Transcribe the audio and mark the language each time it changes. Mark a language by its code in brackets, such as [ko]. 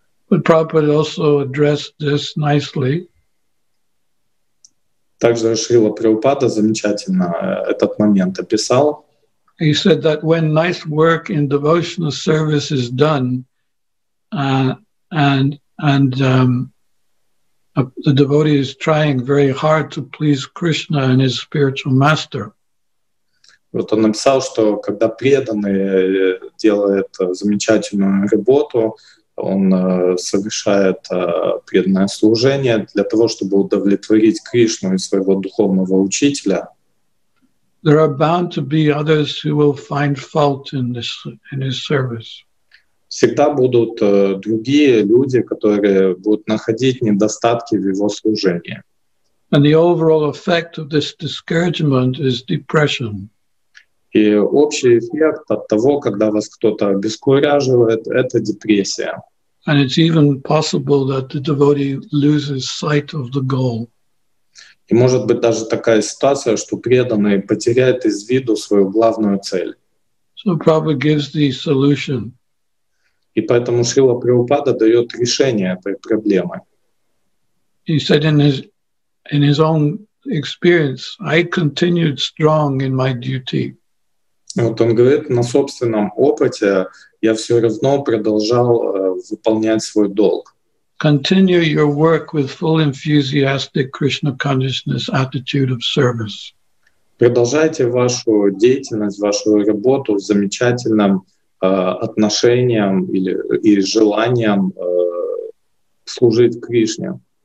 [en] But Prabhupada also addressed this nicely. [ru] Также Шрила Прабхупада замечательно этот момент описал. [en] He said that when nice work in devotional service is done, the devotee is trying very hard to please Krishna and his spiritual master. [ru] Вот он написал, что когда преданный делает замечательную работу, он совершает преданное служение для того, чтобы удовлетворить Кришну и своего духовного учителя. [en] There are bound to be others who will find fault in his service. [ru] Всегда будут другие люди, которые будут находить недостатки в его служении. [en] And the overall effect of this discouragement is depression. [ru] И общий эффект от того, когда вас кто-то обескураживает, это депрессия. [en] And it's even possible that the devotee loses sight of the goal. [ru] И может быть даже такая ситуация, что преданный потеряет из виду свою главную цель. [en] So Prabhupada gives the solution. [ru] И поэтому Шрила Прабхупада дает решение этой проблемы. [en] He said in his own experience, I continued strong in my duty. [ru] Вот он говорит, на собственном опыте я все равно продолжал выполнять свой долг. [en] Continue your work with full enthusiastic Krishna consciousness attitude of service. [ru] Продолжайте вашу деятельность, вашу работу с замечательным отношением и желанием служить Кришне.